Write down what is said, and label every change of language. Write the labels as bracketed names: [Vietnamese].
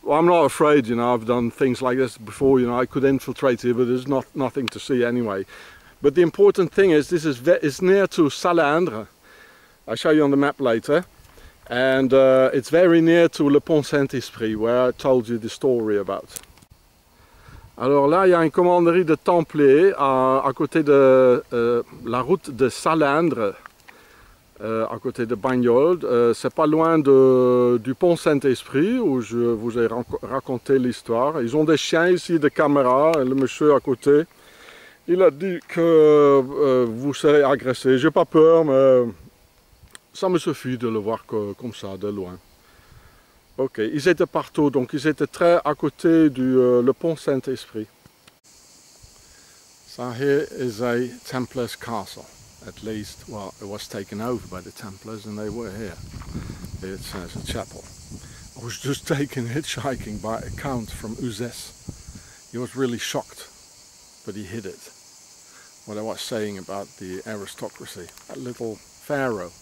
[English] Well, I'm not afraid, you know, I've done things like this before, you know, I could infiltrate here, but there's nothing to see anyway. But the important thing is, this is it's near to Salandre. I'll show you on the map later. And it's very near to Le Pont Saint-Esprit, where I told you the story about. [French] Alors là, il y a une commanderie de Templiers à côté de la route de Salandre, à côté de Bagnoles. C'est pas loin du Pont Saint-Esprit où je vous ai raconté l'histoire. Ils ont des chiens ici, des caméras, et le monsieur à côté, il a dit que vous serez agressé. J'ai pas peur, mais... Ça me suffit de le voir comme ça, de loin. Ok, ils étaient partout, donc ils étaient très à côté du le pont Saint-Esprit. [English] So here is a Templars castle. At least, well, it was taken over by the Templars and they were here. It's a chapel. I was just taken hitchhiking by a count from Uzès. He was really shocked, but he hid it. What I was saying about the aristocracy, that little pharaoh.